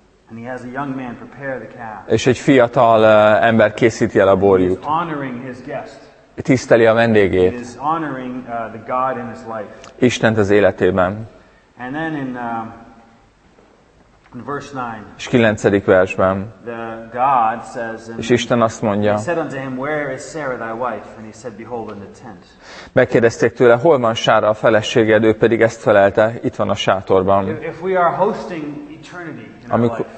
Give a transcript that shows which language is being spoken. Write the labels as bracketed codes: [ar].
[en] And he has a young man prepare the calf. [hu] És egy fiatal ember készíti el a borjút. [en] He's honoring his guest. [hu] Tiszteli a vendégét. [en] He is honoring the God in his life. [hu] Istent az életében. [en] And then in verse 9. [hu] És 9. versben. [en] The God says, [hu] és Isten azt mondja. [en] He said unto him, where is Sarah thy wife? And he said, behold, in the tent. [hu] Megkérdezték tőle, hol van Sára a feleséged? Ő pedig ezt felelte, itt van a sátorban. [en] If we are hosting eternity in our life.